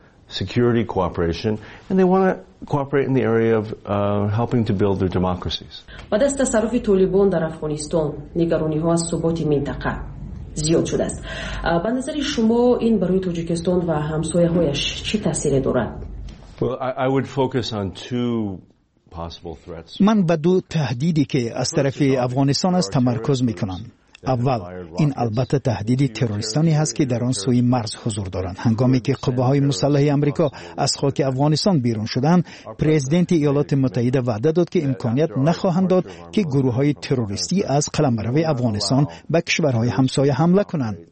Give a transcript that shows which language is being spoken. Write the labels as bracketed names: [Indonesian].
[English] Security cooperation, and they want to cooperate in the area of helping to build their democracies. [Persian] بعد از تصرف طالبان در افغانستان، نگرانی‌ها از ثبات منطقه زیاد شده است. به نظر شما این برای تاجیکستان و همسایه‌هایش چی تأثیر دارد؟ [English] Well, I would focus on two possible threats. [Persian] من به دو تهدیدی که از طرف افغانستان است تمرکز می‌کنم. اول، این البته تهدیدی تروریستانی هست که در آن سوی مرز حضور دارند. هنگامی که قوه‌های مسلح آمریکا از خاک افغانستان بیرون شدند، پرزیدنت ایالات متحده وعده داد که امکانیت نخواهند داد که گروه‌های تروریستی از قلمرو افغانستان به کشورهای همسایه حمله کنند.